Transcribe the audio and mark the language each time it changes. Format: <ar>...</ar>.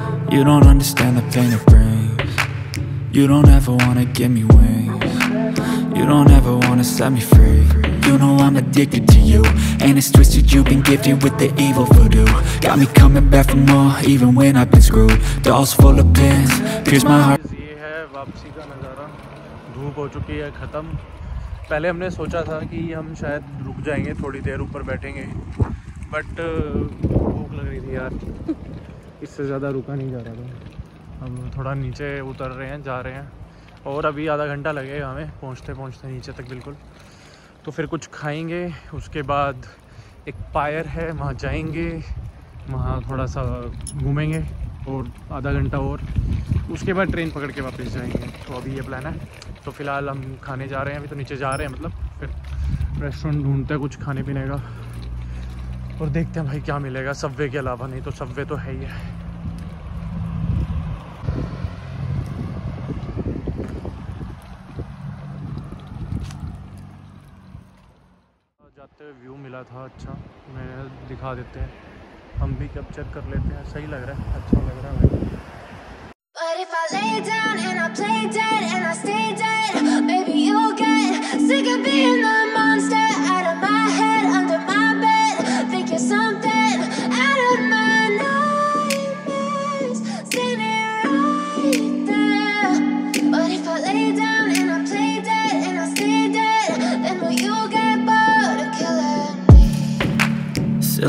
<en>You don't understand the pain it brings. You don't ever wanna give me wings. You don't ever wanna set me free. You know I'm addicted to you, and it's twisted, you've been gifted with the evil voodoo. Got me coming back for more, even when I've been screwed. Dolls full of pins, pierce my heart.</en> <hi>वापसी का नज़ारा, धूप हो चुकी है ख़त्म। पहले हमने सोचा था कि हम शायद रुक जाएंगे, थोड़ी देर ऊपर बैठेंगे, बट भूख लग रही थी यार, इससे ज़्यादा रुका नहीं जा रहा था। हम थोड़ा नीचे उतर रहे हैं, जा रहे हैं, और अभी आधा घंटा लगेगा हमें पहुँचते पहुँचते नीचे तक बिल्कुल। तो फिर कुछ खाएँगे, उसके बाद एक पायर है वहाँ जाएँगे, वहाँ थोड़ा सा घूमेंगे और आधा घंटा, और उसके बाद ट्रेन पकड़ के वापस जाएंगे। तो अभी ये प्लान है। तो फिलहाल हम खाने जा रहे हैं, अभी तो नीचे जा रहे हैं मतलब, फिर रेस्टोरेंट ढूंढते हैं कुछ खाने पीने का, और देखते हैं भाई क्या मिलेगा सबवे के अलावा, नहीं तो सबवे तो है ही है। देखते हुए व्यू मिला था अच्छा, मैं दिखा देते हैं हम भी कब चेक कर लेते हैं, सही लग रहा है, अच्छा लग रहा है।</hi> <en>But if I lay down and I play dead and I stay dead, maybe you'll get sick of being the monster out of my head, under my bed, think you're something out of my nightmares. See me right there. But if I lay down and I play dead and I stay dead, then will you get bored of killing me?</en>